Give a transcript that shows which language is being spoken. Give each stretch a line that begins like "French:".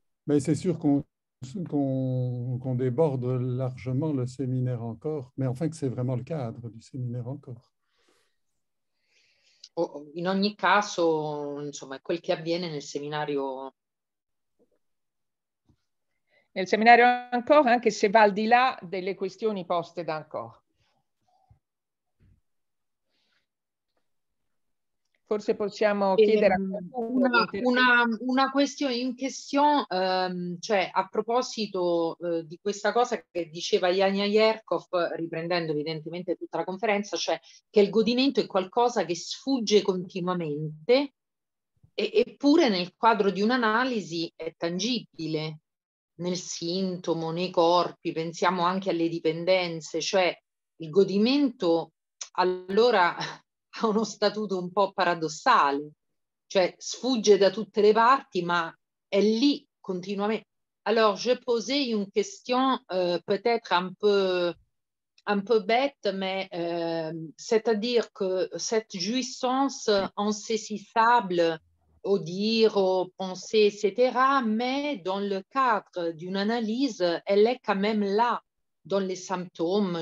French: Mais c'est sûr qu'on déborde largement le séminaire encore, mais enfin que c'est vraiment le cadre du séminaire encore.
Italian: In ogni caso, insomma, è quel che avviene nel seminario. Nel seminario encore, anche se va al di là delle questioni poste da encore. Forse possiamo chiedere una questione in question, cioè a proposito di questa cosa che diceva Yanya Yerkov, riprendendo evidentemente tutta la conferenza, cioè che il godimento è qualcosa che sfugge continuamente, eppure nel quadro di un'analisi è tangibile, nel sintomo, nei corpi, pensiamo anche alle dipendenze, cioè il godimento allora ha uno statuto un po' paradossale, cioè sfugge da tutte le parti, ma è lì continuamente.
French: Alors, je posais une question peut-être un peu bête, mais c'est-à-dire que cette jouissance insaisissable ou dire, ou penser, etc. Mais dans le cadre d'une analyse, elle est quand même là, dans les symptômes.